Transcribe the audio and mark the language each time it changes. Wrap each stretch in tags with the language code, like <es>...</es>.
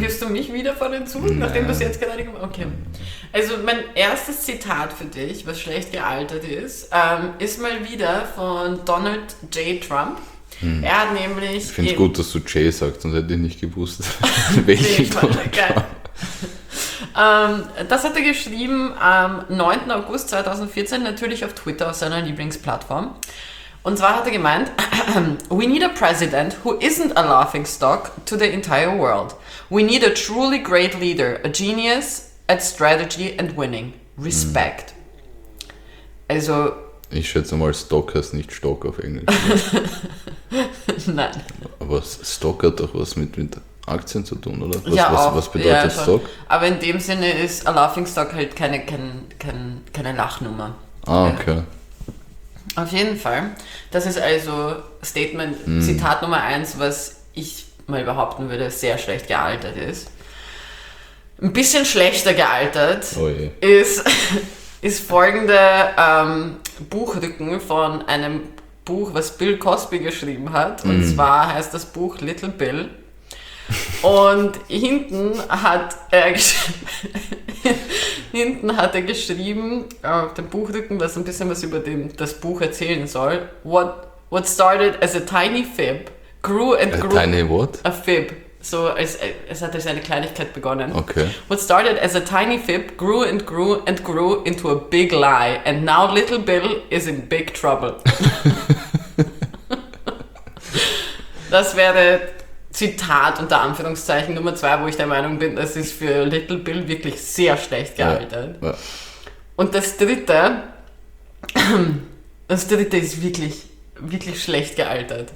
<de>Wirst du mich wieder vor den Zug, nachdem du es jetzt gerade gemacht hast? Okay. Also mein erstes Zitat für dich, was schlecht gealtert ist, ist mal wieder von Donald J. Trump. Er hat nämlich... Ich finde es gut, dass du J sagst, sonst hätte ich nicht gewusst, welchen Donald Trump. Das hat er geschrieben am 9. August 2014, natürlich auf Twitter, auf seiner Lieblingsplattform. Und zwar hat er gemeint,</de> <en>we need a president who isn't a laughingstock to the entire world. We need a truly great leader, a genius at strategy and winning. Respect. Also.</en> <de>Ich schätze mal, Stock heißt nicht Stock auf Englisch. Nein. Aber Stock hat doch was mit Aktien zu tun, oder? Was, ja, auch. Was bedeutet ja, Stock? Aber in dem Sinne ist a laughingstock halt keine Lachnummer. Ah, okay. Auf jeden Fall. Das ist also Statement, Zitat Nummer 1, was ich mal behaupten würde, sehr schlecht gealtert ist. Ein bisschen schlechter gealtert ist folgende Buchrücken von einem Buch, was Bill Cosby geschrieben hat. Und zwar heißt das Buch Little Bill. Und hinten hat er geschrieben auf dem Buchrücken, was ein bisschen was über das Buch erzählen soll.</de> <en>What started as a tiny fib grew and grew. A tiny what? A fib.</en> <de>So es hat als eine Kleinigkeit begonnen. Okay.</de> <en>What started as a tiny fib grew and grew and grew into a big lie. And now little Bill is in big trouble.</en> <de>Das wäre Zitat unter Anführungszeichen Nummer 2, wo ich der Meinung bin, das ist für Little Bill wirklich sehr schlecht gealtert. Ja, ja. Und das dritte ist wirklich, wirklich schlecht gealtert.</de>